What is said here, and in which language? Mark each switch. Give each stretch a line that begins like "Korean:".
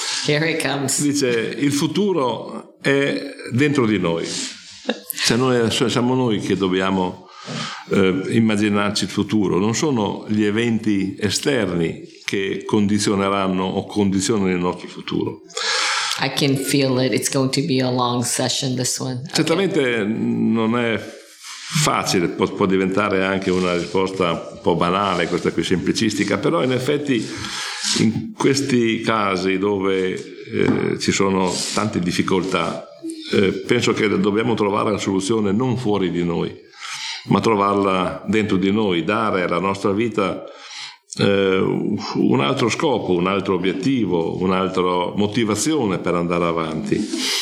English: Here it comes.
Italian: Dice, il futuro è dentro di noi. Cioè noi, siamo noi che dobbiamo immaginarci il futuro, non sono gli eventi esterni che condizioneranno o condizionano il nostro futuro.
English: I can feel it, it's going to be a long session this one. Okay.
Italian: Certamente non è facile, può diventare anche una risposta un po' banale, questa qui semplicistica, però in effetti in questi casi dove ci sono tante difficoltà, penso che dobbiamo trovare la soluzione non fuori di noi, ma trovarla dentro di noi, dare alla nostra vita un altro scopo, un altro obiettivo, un'altra motivazione per andare avanti.